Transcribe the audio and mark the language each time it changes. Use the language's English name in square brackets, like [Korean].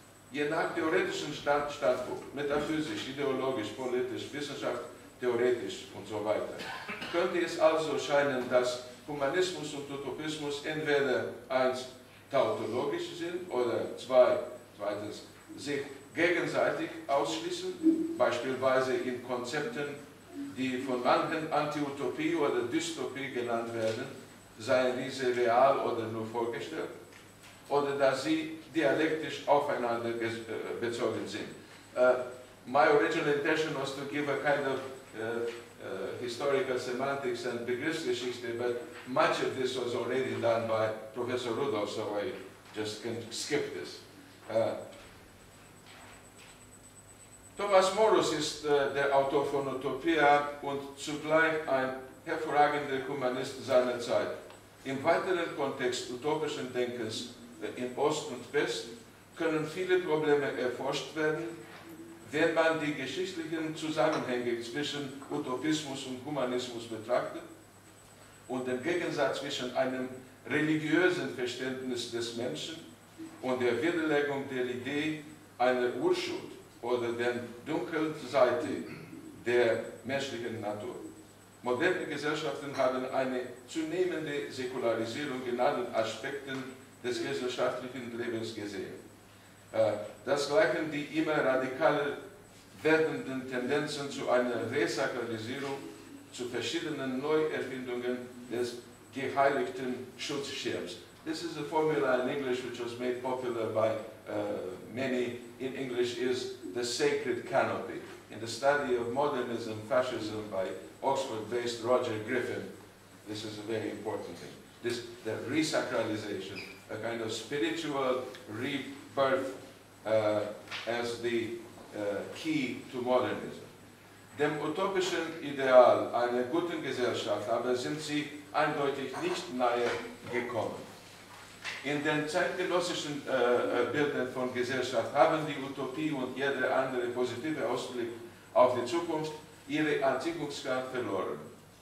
[German] Je nach theoretischen Standpunkt, metaphysisch, ideologisch, politisch, wissenschaftlich, theoretisch und so weiter, könnte es also scheinen, dass Humanismus und Utopismus entweder eins tautologisch sind oder zweitens sich gegenseitig ausschließen, beispielsweise in Konzepten, die von manchen Anti-Utopie oder Dystopie genannt werden, seien diese real oder nur vorgestellt, oder dass sie dialektisch aufeinander bezogen sind. [English] My original intention was to give a kind of historical semantics and Begriffsgeschichte, but much of this was already done by Professor Rudolph, so I just can skip this. [German] Thomas Morus ist der Autor von Utopia und zugleich ein hervorragender Humanist seiner Zeit. Im weiteren Kontext utopischen Denkens in Ost und West können viele Probleme erforscht werden, wenn man die geschichtlichen Zusammenhänge zwischen Utopismus und Humanismus betrachtet und und den Gegensatz zwischen einem religiösen Verständnis des Menschen und der Widerlegung der Idee einer Urschuld oder der dunklen Seite der menschlichen Natur. Moderne Gesellschaften haben eine zunehmende Säkularisierung in allen Aspekten des gesellschaftlichen Lebens gesehen. Das gleichen die immer radikaler werdenden Tendenzen zu einer Resakralisierung, zu verschiedenen Neuerfindungen des geheiligten Schutzschirms. [English] This is a formula in English which was made popular by many. In English is the sacred canopy. In the study of modernism, fascism by Oxford-based Roger Griffin, this is a very important thing. This, the resacralization, a kind of spiritual rebirth as the key to modernism. [German] Dem utopischen Ideal einer guten Gesellschaft aber sind sie eindeutig nicht nahe gekommen. In den zeitgenössischen Bildern von Gesellschaft haben die Utopie und jeder andere positive Ausblick auf die Zukunft ihre Anziehungskraft verloren.